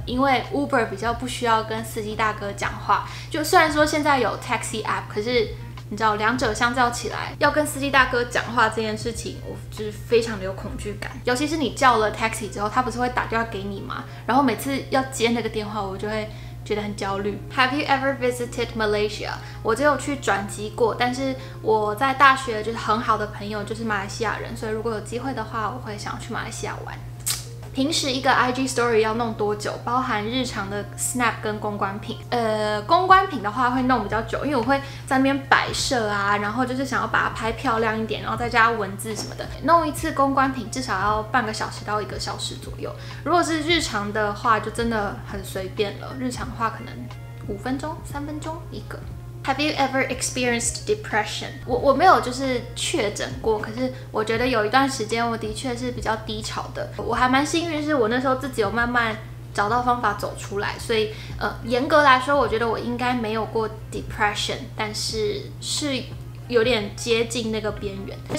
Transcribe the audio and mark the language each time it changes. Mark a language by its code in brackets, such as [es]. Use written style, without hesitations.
[zh] 因为 Uber 比较不需要跟司机大哥讲话，就虽然说现在有 taxi app， 可是你知道两者相较起来，要跟司机大哥讲话这件事情，我就是非常的有恐惧感。尤其是你叫了 taxi 之后，他不是会打电话给你吗？然后每次要接那个电话，我就会觉得很焦虑。 [en] Have you ever visited Malaysia? [zh] 我只有去转机过，但是我在大学就是很好的朋友就是马来西亚人，所以如果有机会的话，我会想去马来西亚玩。平时一个 IG story 要弄多久？包含日常的 snap 跟公关品。公关品的话会弄比较久，因为我会在那边摆设啊，然后就是想要把它拍漂亮一点，然后再加文字什么的。弄一次公关品至少要半个小时到一个小时左右。如果是日常的话，就真的很随便了。日常的话可能五分钟、三分钟一个。 [en] Have you ever experienced depression? [zh] 我没有就是确诊过，可是我觉得有一段时间我的确是比较低潮的。我还蛮幸运，是我那时候自己有慢慢找到方法走出来，所以严格来说，我觉得我应该没有过 depression， 但是是有点接近那个边缘。